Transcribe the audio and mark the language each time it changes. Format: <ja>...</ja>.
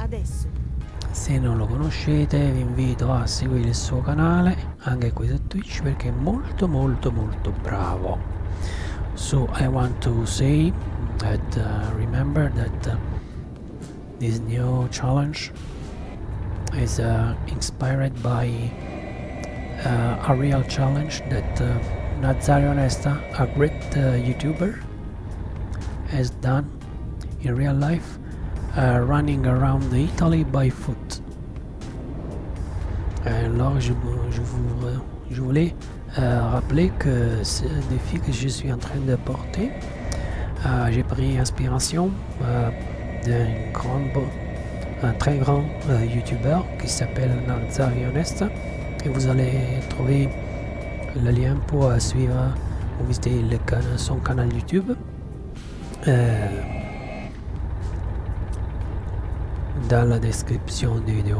<it>Se non lo conoscete vi invito a seguire il suo canale anche qui su Twitch perché è molto molto molto bravo.</it> <en>So I want to say that remember that this new challenge is inspired by a real challenge that Nazario Nesta, a great YouTuber, has done in real life, running around Italy by foot.</en> <fr>Alors je voulais rappeler que ce défi que je suis en train de porter, j'ai pris inspiration d'un très grand youtubeur qui s'appelle Nazario Nesta et vous allez trouver le lien pour suivre ou visiter son canal YouTube dans la description du vidéo.</fr>